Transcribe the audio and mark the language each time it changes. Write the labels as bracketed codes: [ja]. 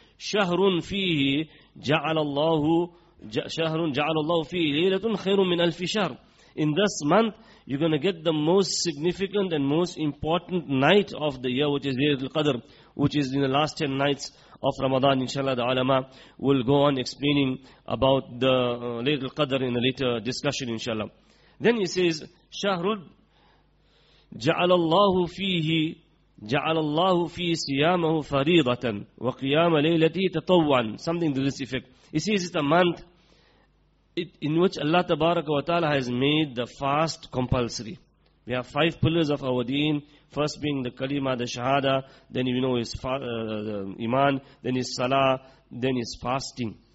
[ar] Shahrun Fihi Ja'alallahu. شَهْرٌ جَعَلَ اللَّهُ فِيهِ لَيْلَةٌ خَيْرٌ مِنْ أَلْفِ شَهْرٍ. [en] In this month, you're going to get the most significant and most important night of the year, which is Laylatul Qadr, which is in the last 10 nights of Ramadan. Inshallah, the ulama will go on explaining about the Laylatul Qadr in a later discussion, inshallah. Then he says, [ar] شَهْرٌ جَعَلَ اللَّهُ فِيهِ جَعَلَ اللَّهُ فِي سِيَامَهُ فَرِيضَةً وَقِيَامَ لَيْلَتِي تَطَوَّعًا. [en] Something to this effect. He says it's a month in which Allah Tabaraka wa Ta'ala has made the fast compulsory. We have five pillars of our deen. First being the kalima, the shahada. Then you know is iman. Then is salah. Then is fasting.